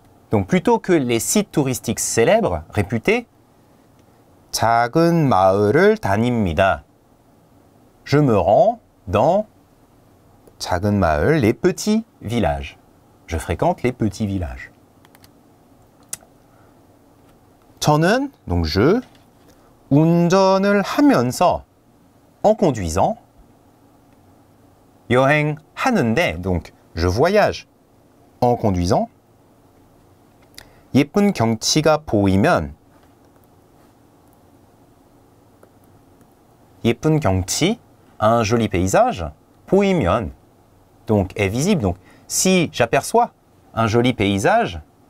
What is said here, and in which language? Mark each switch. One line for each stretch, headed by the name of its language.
French: Donc plutôt que les sites touristiques célèbres, réputés,
Korean: 작은 마을을 다닙니다.
French: Je me rends dans
Korean: 작은 마을,
French: les petits villages. Je fréquente les petits villages.
Korean: 저는,
French: donc je,
Korean: 운전을 하면서,
French: en conduisant,
Korean: 여행하는데,
French: donc je voyage en conduisant,
Korean: 예쁜 경치가 보이면, 예쁜 경치,
French: un joli paysage,
Korean: 보이면,
French: donc est visible, donc si j'aperçois un joli paysage,